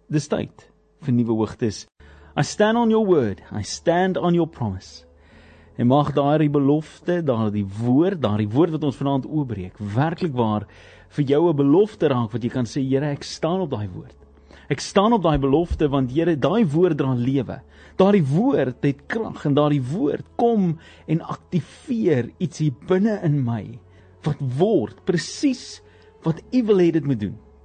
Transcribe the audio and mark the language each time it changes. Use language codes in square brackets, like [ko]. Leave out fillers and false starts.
[af] dis tyd vir nuwe hoogtes. [en] I stand on your word, I stand on your promise. [af] En mag daardie belofte, daardie woord wat ons vanaand oopbreek, werklik waar vir jou 'n belofte raak wat jy kan sê, Here, ek staan op daai woord. Ek staan op daai belofte want Here, daai woord dra lewe. Daardie woord het krag en daardie woord kom en aktiveer iets hier binne in my wat word presies wat U wil hê dit moet doen.